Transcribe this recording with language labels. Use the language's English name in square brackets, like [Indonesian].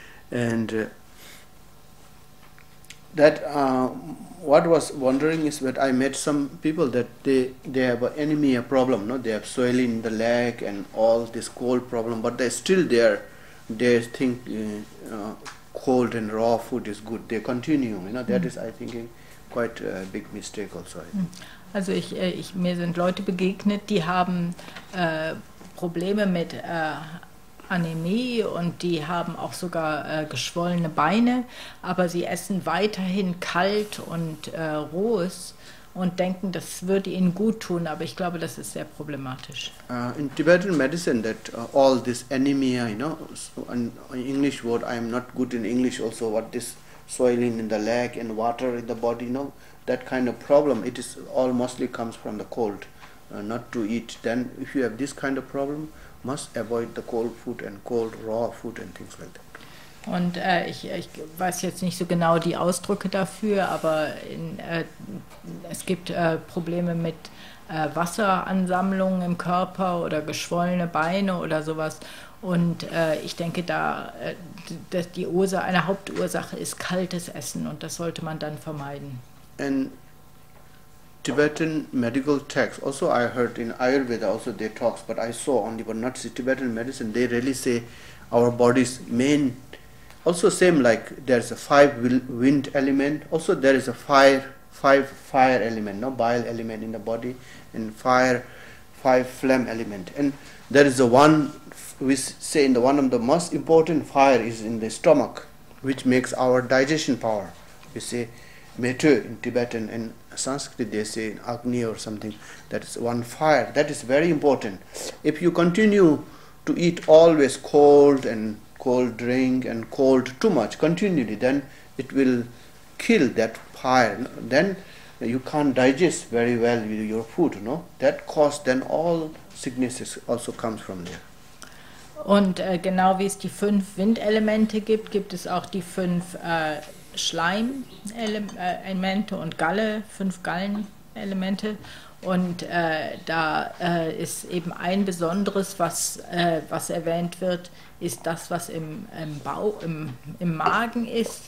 [English] And what was wondering is that I met some people that they have an anemia problem, no? They have swelling in the leg and all this cold problem, but they're still there. They think cold and raw food is good. They continue, you know. That is, I think, quite a big mistake also. [German] Also ich mir sind Leute begegnet, die haben Probleme mit Anämie und die haben auch sogar geschwollene Beine, aber sie essen weiterhin kalt und rohes und denken, das würde ihnen gut tun, aber ich glaube, das ist sehr problematisch. [English] In Tibetan medicine that all this anemia, you know, so an English word, I am not good in English also, what this swelling in the leg and water in the body, you know, that kind of problem, it is all mostly comes from the cold, not to eat. Then if you have this kind of problem, must avoid the cold food and cold raw food and things like that. [German] Und ich weiß jetzt nicht so genau die Ausdrücke dafür, aber es gibt Probleme mit Wasseransammlungen im Körper oder geschwollene Beine oder sowas. Und ich denke, da dass die Ursache, eine Hauptursache ist kaltes Essen und das sollte man dann vermeiden. [English] And Tibetan medical texts, also I heard in Ayurveda also they talks, but I saw only but not see Tibetan medicine, they really say our body's main also same like there's a five wind element, also there is a five fire element, no bile element in the body, and five phlegm element. And there is a one we say in the one of the most important fire is in the stomach, which makes our digestion power. You see Metu in Tibetan and Sanskrit they say Agni or something, that is one fire that is very important. If you continue to eat always cold and cold drink and cold too much continually, then it will kill that fire. Then you can't digest very well with your food, no? That cause then all sicknesses also comes from there. [German] Und genau wie es die fünf Windelemente gibt, gibt es auch die fünf Schleimelemente und Galle, fünf Gallenelemente. Und da ist eben ein besonderes, was erwähnt wird, ist das, was im Magen ist.